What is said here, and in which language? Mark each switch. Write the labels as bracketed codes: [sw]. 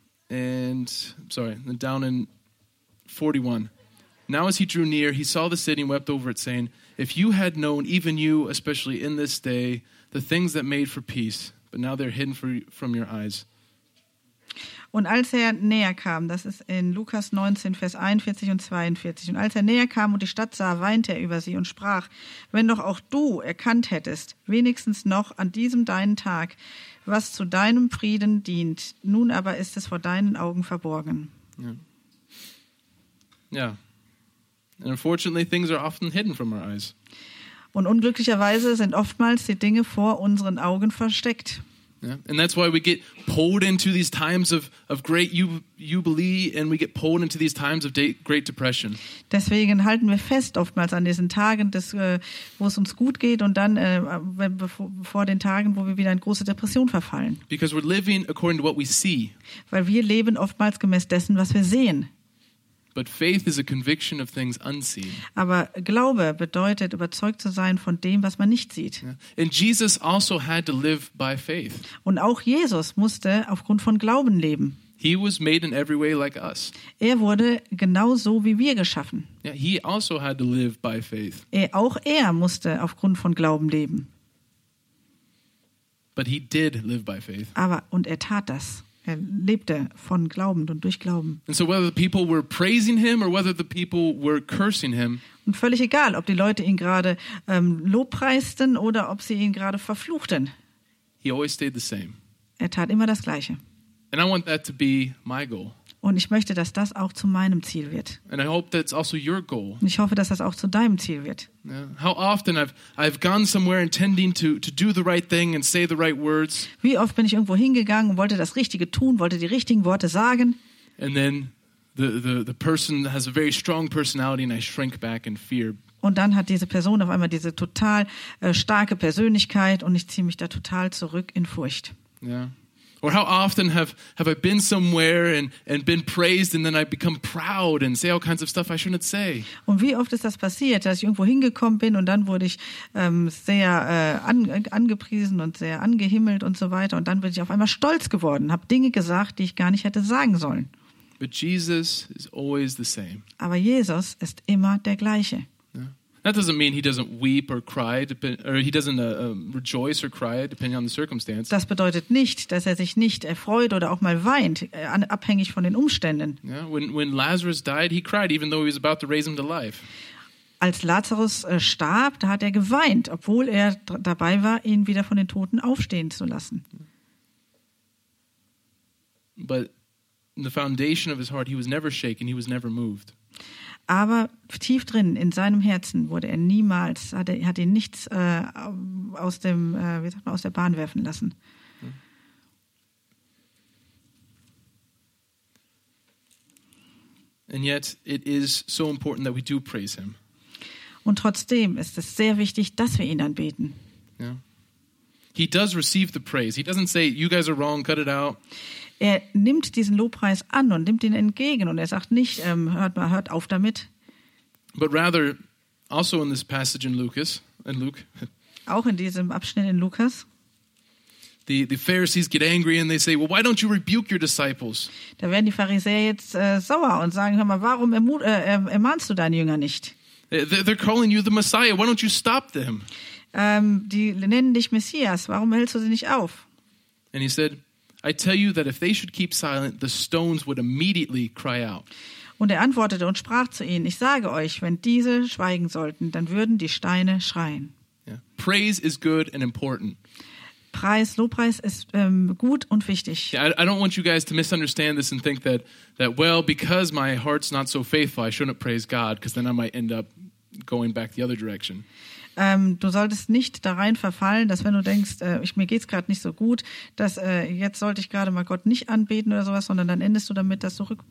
[en] And, sorry, down in 41. Now as he drew near, he saw the city and wept over it, saying, "If you had known, even you, especially in this day, the things that made for peace, but now they're hidden from your eyes." [de] Und als er näher kam, das ist in Lukas 19, Vers 41 und 42, und als er näher kam und die Stadt sah, weinte er über sie und sprach, "Wenn doch auch du erkannt hättest, wenigstens noch an diesem deinen Tag, was zu deinem Frieden dient, nun aber ist es vor deinen Augen verborgen." Ja. [en] And unfortunately, things are often hidden from our eyes. [de] Und unglücklicherweise sind oftmals die Dinge vor unseren Augen versteckt. [en] Yeah. And that's why we get pulled into these times of great jubilee and we get pulled into these times of great depression. [de] Deswegen halten wir fest oftmals an diesen Tagen, wo es uns gut geht und dann vor den Tagen, wo wir wieder in große Depression verfallen. [en] Because we're living according to what we see. [de] Weil wir leben oftmals gemäß dessen, was wir sehen. [en] But faith is a conviction of things unseen. [de] Aber Glaube bedeutet, überzeugt zu sein von dem, was man nicht sieht. [en] Yeah. And Jesus also had to live by faith. [de] Und auch Jesus musste aufgrund von Glauben leben. [en] He was made in every way like us. [de] Er wurde genauso wie wir geschaffen. [en] Yeah, he also had to live by faith. [de] Auch er musste aufgrund von Glauben leben. [en] But he did live by faith. [de] Und er tat das. Er lebte von Glauben und durch Glauben. [en] And so whether the people were praising him or whether the people were cursing him. [de] Und völlig egal, ob die Leute ihn gerade lobpreisten oder ob sie ihn gerade verfluchten. [en] He always stayed the same. [de] Er tat immer das Gleiche. [en] And I want that to be my goal. [de] Und ich möchte, dass das auch zu meinem Ziel wird. [en] And I hope that's also your goal. [de] Und ich hoffe, dass das auch zu deinem Ziel wird. [en] Yeah. How often I've gone somewhere intending to do the right thing and say the right words. [de] Wie oft bin ich irgendwo hingegangen, wollte das Richtige tun, wollte die richtigen Worte sagen. [en] And then the person has a very strong personality and I shrink back in fear. [de] Und dann hat diese Person auf einmal diese total starke Persönlichkeit und ich ziehe mich da total zurück in Furcht. Ja. Yeah. [en] Or how often have I been somewhere and been praised and then I become proud and say all kinds of stuff I shouldn't say? [de] Und wie oft ist das passiert, dass ich irgendwo hingekommen bin und dann wurde ich angepriesen und sehr angehimmelt und so weiter und dann bin ich auf einmal stolz geworden, habe Dinge gesagt, die ich gar nicht hätte sagen sollen. [en] But Jesus is always the same. [de] Aber Jesus ist immer der gleiche. [en] That doesn't mean he doesn't weep or cry, or he doesn't rejoice or cry, depending on the circumstance. [de] Das bedeutet nicht, dass er sich nicht erfreut oder auch mal weint, abhängig von den Umständen. [en] Yeah, when Lazarus died, he cried, even though he was about to raise him to life. [de] Als Lazarus starb, da hat er geweint, obwohl er dabei war, ihn wieder von den Toten aufstehen zu lassen. [en] But in the foundation of his heart, he was never shaken, he was never moved. [de] Aber tief drin in seinem Herzen wurde er niemals, hat ihn nichts aus der Bahn werfen lassen. [en] And yet it is so important that we do praise him. [de] Und trotzdem ist es sehr wichtig, dass wir ihn anbeten. [en] Yeah. He does receive the praise. He doesn't say, "You guys are wrong, cut it out." [de] Er nimmt diesen Lobpreis an und nimmt ihn entgegen und er sagt nicht, hört auf damit. [en] But rather, also in this passage in Luke. [de] Auch in diesem Abschnitt in Lukas. [en] The Pharisees get angry and they say, "Well, why don't you rebuke your disciples?" [de] Da werden die Pharisäer jetzt sauer und sagen, hör mal, warum ermahnst du deine Jünger nicht? [en] They're calling you the Messiah. Why don't you stop them? [de] Die nennen dich Messias. Warum hältst du sie nicht auf? [en] And he said, "I tell you that if they should keep silent, the stones would immediately cry out." [de] Und er antwortete und sprach zu ihnen: "Ich sage euch, wenn diese schweigen sollten, dann würden die Steine schreien." [en] Yeah. Praise is good and important. [de] Preis, Lobpreis ist gut und wichtig. [en] Yeah, I don't want you guys to misunderstand this and think that well, because my heart's not so faithful, I shouldn't praise God, because then I might end up going back the other direction. [de] Du solltest nicht da rein verfallen, dass wenn du denkst, mir geht's gerade nicht so gut, dass jetzt sollte ich gerade mal Gott nicht anbeten oder sowas, sondern dann endest du damit, dass du